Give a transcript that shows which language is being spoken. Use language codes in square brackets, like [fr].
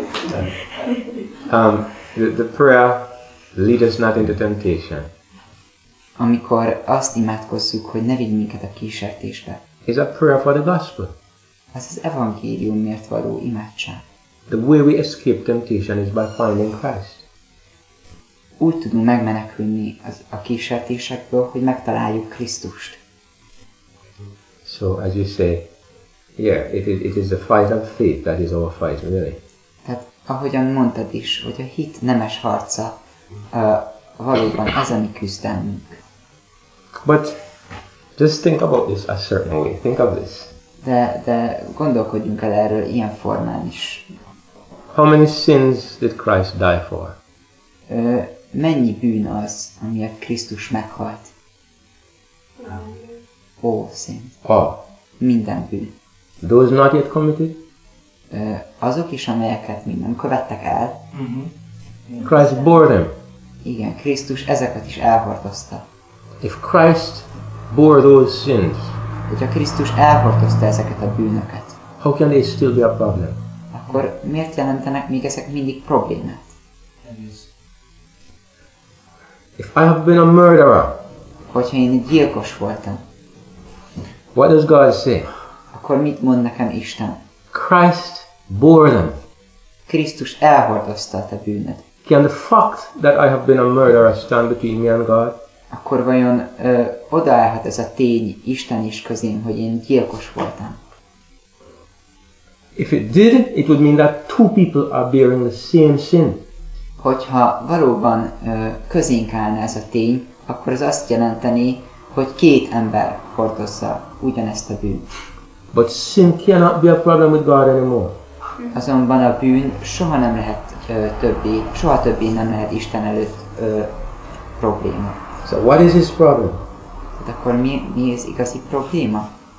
[en] The prayer lead us not into temptation. [hu] Amikor azt imádkozzuk, hogy ne vigy minket a kísértésbe. [en] Is a prayer for the gospel. [hu] Ez az evangéliumért való imádság. [en] The way we escape temptation is by finding Christ. [hu] Úgy tudunk megmenekülni a kísértésekből, hogy megtaláljuk Krisztust. [en] So as you say, yeah, it is the fight of faith that is our fight, really. [hu] Tehát ahogyan mondtad is, hogy a hit nemes harca, valóban ez a mi küzdelmünk. [en] But just think about this a certain way. Think of this. [hu] De gondolkodjunk el erről ilyen formán is. [en] How many sins did Christ die for? [hu] mennyi bűn az, amiért Krisztus meghalt? Ó, szint. A. Minden bűn. [en] Those not yet committed? [hu] Azok is, amelyeket még nem követtek el. [en] Mm-hmm. Christ bore them. [hu] Igen, Krisztus ezeket is elhordozta. [en] If Christ bore those sins, [hu] hogyha Krisztus elhordozta ezeket a bűnöket, [en] how can they still be a problem? [hu] Akkor miért jelentenek még ezek mindig problémát? [en] If I have been a murderer, [hu] hogyha én gyilkos voltam, [en] what does God say? [hu] Akkor mit mond nekem Isten? [en] Christ bore them. [hu] Krisztus elhordozta a te bűnöd. [en] Can the fact that I have been a murderer stand between me and God? [hu] Akkor vajon odaállhat ez a tény Isten is közém, hogy én gyilkos voltam? [en] If it did, it would mean that two people are bearing the same sin. [hu] Hogyha valóban közénk állna ez a tény, akkor ez azt jelenteni, hogy két ember hordozza ugyanezt a bűnt. [en] But sin cannot be a problem with God anymore. [hu] Azonban a bűn soha nem lehet többé, soha többé nem lehet Isten előtt probléma. [en] So what is his problem? [hu] Hát akkor mi az igazi probléma?